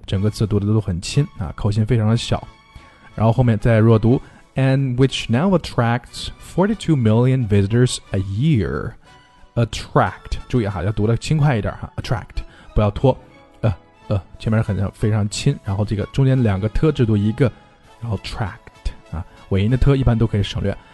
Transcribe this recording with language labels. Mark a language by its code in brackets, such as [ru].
[zh] 整个字读的都很轻啊，口型非常的小。然后后面再弱读 [en] and which now attracts 42 million visitors a year. [zh] Attract, 注意哈，要读得轻快一点哈 ,attract, 不要拖。前面很非常轻，然后这个中间两个特只读一个，然后 tract, 啊，尾音的特一般都可以省略。